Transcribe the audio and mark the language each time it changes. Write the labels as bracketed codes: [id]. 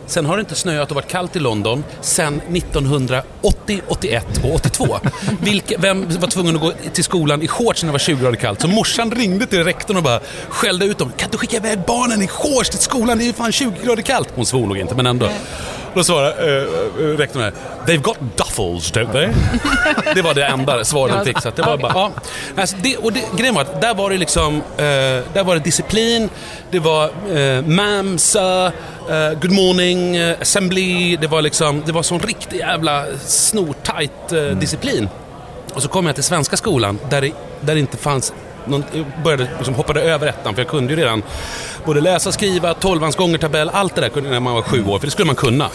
[sv] Sen har det inte snöat och varit kallt i London sen 1980, 81 och 82. Vem var tvungen att gå till skolan i shorts när det var 20 grader kallt? Så morsan ringde till rektorn och bara skällde ut dem. Kan du skicka iväg barnen i shorts till skolan? Det är ju fan 20 grader kallt. Hon svor nog inte, men ändå. Då svarade rektorn här, [en] they've got duffels, don't they? [sv] Det var det enda svaret de fick. Så det var bara, ja. Alltså grejen var att där var det liksom, där var det disciplin, det var ma'am, sir, good morning, assembly, det var sån riktig jävla snortajt disciplin. Och så kom jag till svenska skolan där det inte fanns någon, började liksom hoppade över ettan, för jag kunde ju redan både läsa, skriva, 12-ans gånger tabell, allt det där kunde när man var 7 år, för det skulle man kunna.